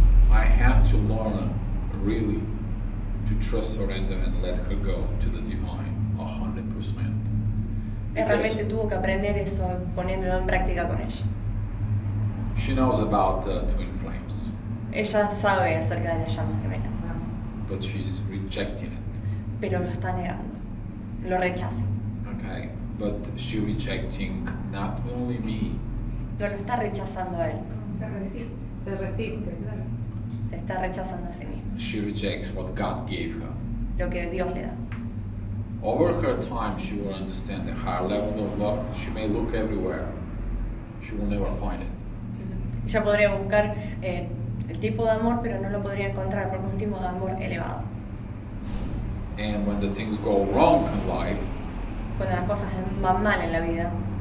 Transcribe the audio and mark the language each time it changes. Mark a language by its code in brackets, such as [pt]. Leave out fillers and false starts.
[en] I had to learn really to trust, surrender, and let her go to the divine 100%. [es] Realmente tuvo que aprender eso poniéndolo en práctica con ella. [en] She knows about twin flames. [es] Ella sabe acerca de las llamas gemelas. [en] But she's rejecting it. [es] Pero lo está negando. Lo rechaza. [en] Okay, but she rejecting not only me. [es] Pero lo está rechazando a él. Se resiste, claro. Se está rechazando a sí mismo. [en] She rejects what God gave her. [es] Lo que Dios le da. [en] Over her time, she will understand the higher level of love. She may look everywhere. She will never find it. [es] Ella podría buscar el tipo de amor, pero no lo podría encontrar porque es un tipo de amor elevado. [en] And when the things go wrong in life, [es] cuando las cosas van mal en la vida,